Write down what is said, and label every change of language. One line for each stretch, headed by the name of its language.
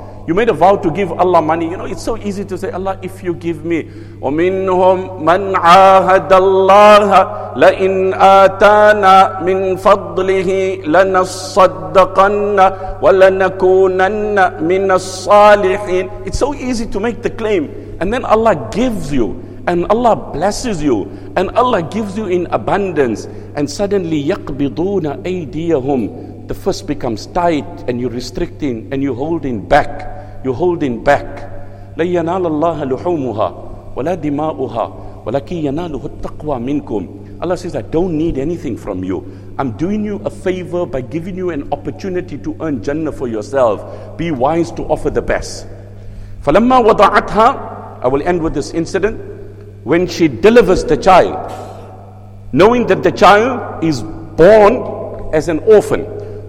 English: You made a vow to give Allah money. You know, it's so easy to say, Allah, if you give me,
Arabic: وَمِنْهُمْ مَنْ عَاهَدَ اللَّهَ لَإِنْ آتَانَا مِنْ فَضْلِهِ لَنَصَّدَّقَنَّ وَلَنَكُونَنَّ مِنَ الصَّالِحِينَ.
English: It's so easy to make the claim. And then Allah gives you, and Allah blesses you, and Allah gives you in abundance. And suddenly,
Arabic: يَقْبِضُونَ أَيْدِيَهُمْ.
English: The fist becomes tight and you're restricting and you're holding back. You're holding back.
Arabic: لَنْ يَنَالَ اللَّهَ لُحُومُهَا وَلَا دِمَاؤُهَا وَلَكِي يَنَالُهُ التَّقْوَى مِنْكُمْ.
English: Allah says, I don't need anything from you. I'm doing you a favor by giving you an opportunity to earn Jannah for yourself. Be wise to offer the best.
Arabic: فَلَمَّا وَضَعَتْهَا
English: I will end with this incident. When she delivers the child, knowing that the child is born as an orphan.